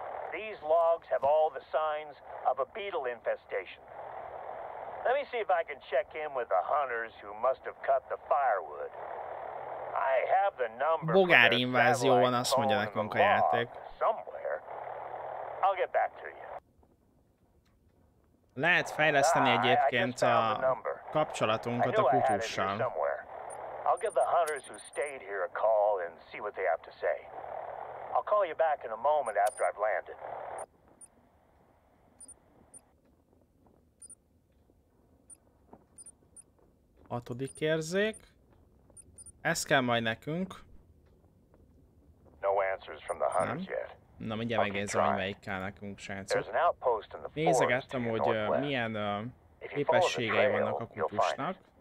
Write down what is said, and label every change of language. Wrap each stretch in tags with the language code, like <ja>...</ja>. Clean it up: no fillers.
<en>These logs have all the signs of a beetle infestation. Let me see if I can check in with the hunters who must have cut the firewood. I have the number.</en> <hu>Bogár invázió van, azt mondja nekünk a játék.</hu> <en>Somewhere. I'll get back to you.</en> <hu>Lehet fejleszteni egyébként a kapcsolatunkat a kutyussal.</hu> <en>I'll give the hunters who stayed here a call and see what they have to say. I'll call you back in a moment after I've landed.</en> <hu>Hatodik érzék. Ez kell majd nekünk.</hu> <en>No answers from the hunters yet.</en> <hu>Na, mindjárt megnézem, hogy melyik kell nekünk, srácok. Nézegettem, hogy milyen képességei vannak a kutyusnak.</hu>